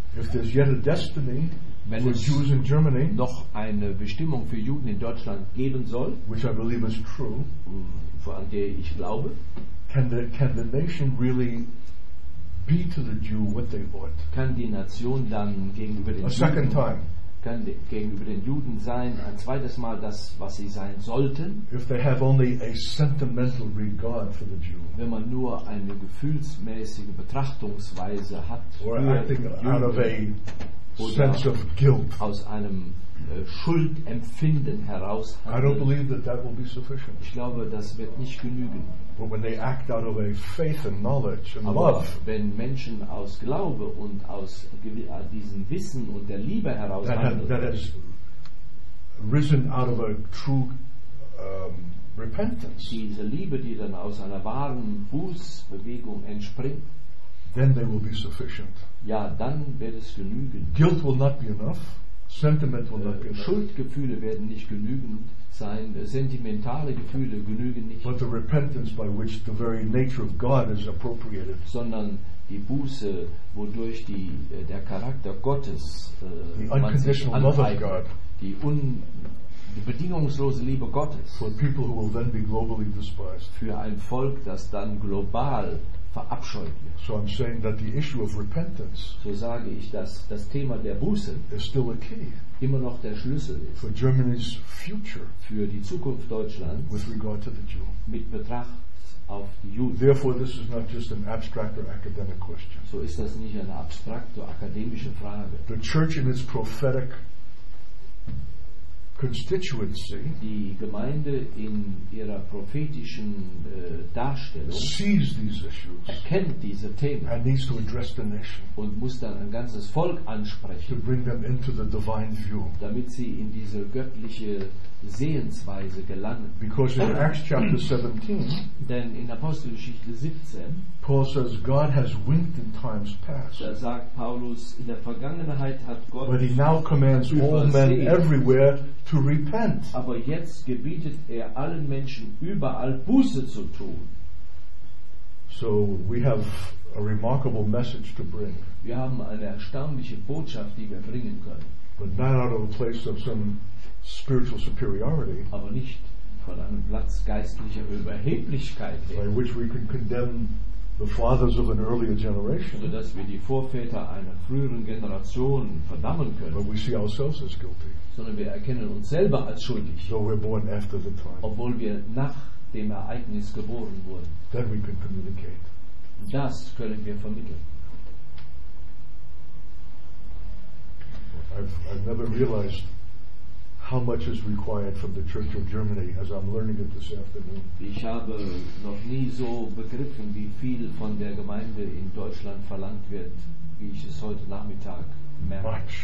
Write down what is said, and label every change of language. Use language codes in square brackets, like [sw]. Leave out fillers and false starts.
[en] If there's yet a destiny [de] wenn [en] for Jews in Germany, [de] noch eine Bestimmung für Juden in Deutschland geben soll, [en] which I believe is true, [de] an der ich glaube, [en] can the nation really be to the Jew what they ought? [de] Kann die Nation dann gegenüber den [en] a second time. [de] Kann gegenüber den Juden sein ein zweites Mal das, was sie sein sollten, [en] if they have only a sentimental regard for the Jew, [de] wenn man nur eine gefühlsmäßige Betrachtungsweise hat, [en] or I think out of a sense of guilt, [de] aus einem Schuldempfinden heraus handeln, [en] I don't believe that that will be sufficient. [de] Ich glaube, das wird nicht genügen. [en] But when they act out of a faith and knowledge and [de] aber [en] love, [de] wenn Menschen aus Glaube und aus diesem Wissen und der Liebe heraus handeln, [en] that has risen out of a true repentance, [de] diese Liebe, die dann aus einer wahren Bußbewegung entspringt, [en] then they will be sufficient. [de] Ja, dann wird es genügen. [en] Guilt will not be enough. Sentiment will not be enough. [de] Schuldgefühle werden nicht genügen sein. Sentimentale Gefühle genügen nicht. [en] But the repentance by which the very nature of God is appropriated. [de] Sondern die Buße, wodurch die der Charakter Gottes [en] unconditional love of God. [de] Die bedingungslose Liebe Gottes. [en] For people who will then be globally despised. [de] Für ein Volk, das dann global verabscheut wird. [en] So I'm saying that the issue of repentance, [de] so sage ich, dass das Thema der Buße [en] is still a key, [de] immer noch der Schlüssel ist, [en] for Germany's future, [de] für die Zukunft Deutschlands, [en] with regard to the Jew, [de] mit Betracht auf die Juden. [en] Therefore, this is not just an abstract or academic question. [de] So ist das nicht eine abstrakte akademische Frage. [en] The church in its prophetic constituency, [de] die Gemeinde in ihrer prophetischen Darstellung, [en] sees these issues, [de] erkennt diese Themen, [en] and needs to address the nation, [de] und muss dann ein ganzes Volk ansprechen, [en] to bring them into the divine view, [de] damit sie in diese göttliche Sehensweise gelangen. [en] Because in Acts chapter 17, [de] denn in Apostelgeschichte 17, [en] Paul says God has winked in times past. [de] Da sagt Paulus, in der Vergangenheit hat Gott. [en] But he now commands all men everywhere to repent. [de] Aber jetzt gebietet er allen Menschen überall Buße zu tun. [en] So we have a remarkable message to bring. [de] Wir haben eine erstaunliche Botschaft, die wir bringen können. [en] But not out of a place of some spiritual superiority. [de] Aber nicht von einem Platz geistlicher Überheblichkeit. [en] By which we can condemn the fathers of an earlier generation. [de] So dass wir die Vorväter einer früheren Generation verdammen können. [en] But we see ourselves as guilty. [de] Sondern wir erkennen uns selber als schuldig. [en] Though we're born after the time. [de] Obwohl wir nach dem Ereignis geboren wurden. [en] Then we can communicate. [de] Das können wir vermitteln. [en] I've never realized how much is required from the Church of Germany as I'm learning it this afternoon. [de] Ich habe noch nie so begriffen, wie viel von der Gemeinde in Deutschland verlangt wird, wie ich es heute Nachmittag merke.